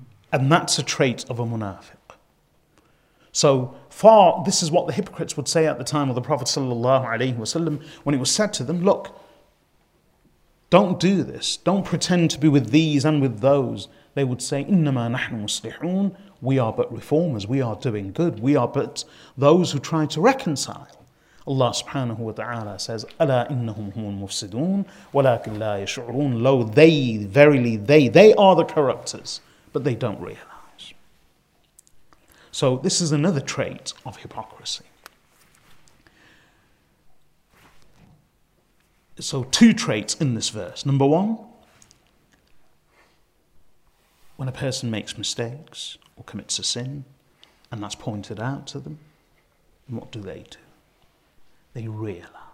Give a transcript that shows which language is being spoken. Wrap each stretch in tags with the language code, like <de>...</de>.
<en>And that's a trait of a munafiq. So far, this is what the hypocrites would say at the time of the Prophet sallallahu alaihi wasallam, when it was said to them, look, don't do this. Don't pretend to be with these and with those. They would say,</en> <ar>إِنَّمَا نَحْنُ مُسْلِحُونَ.</ar> <en>We are but reformers. We are doing good. We are but those who try to reconcile. Allah subhanahu wa ta'ala says,</en> <ar>أَلَا إِنَّهُمْ هُمُ الْمُفْسِدُونَ وَلَكِنْ لَا يَشْعُرُونَ.</ar> <en>Lo, they, verily they are the corruptors, but they don't realize. So this is another trait of hypocrisy. So 2 traits in this verse. Number 1, when a person makes mistakes or commits a sin, and that's pointed out to them, what do? They realize.</en>